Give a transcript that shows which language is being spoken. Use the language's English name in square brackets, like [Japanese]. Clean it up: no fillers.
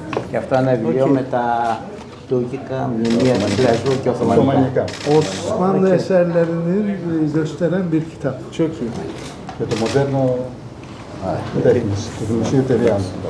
[Greek] Και αυτό είναι βιβλίο με τα τουρκικά μνημεία του Κυριακού και Οθωμανικά. [Turkish] Οσμανλı eserlerini gösteren bir kitap. Çok iyi. [Greek] Και το μοντέρνο τέχνης, το Μουσείο Τεριάνου.